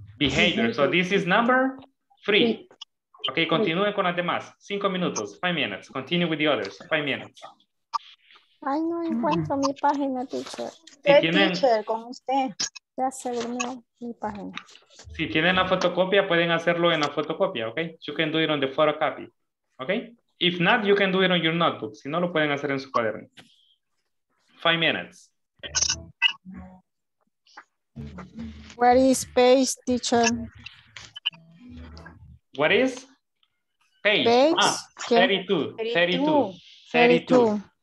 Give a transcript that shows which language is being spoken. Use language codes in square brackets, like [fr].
[en] Behavior. So this is number 3. Okay, [es] continúe con las demás. 5 minutos. [en] 5 minutes. Continue with the others. 5 minutes. [es] Ay, no encuentro mi página, teacher. ¿Qué teacher? ¿Con usted? Ya se durmió mi página. Si tienen la fotocopia, pueden hacerlo en la fotocopia, okay? [en] You can do it on the photocopy, okay? If not, you can do it on your notebook. [es] Si no, lo pueden hacer en su cuaderno. [en] 5 minutes. What is page, teacher? What is? Page. Page? Ah, 32. 32. 32.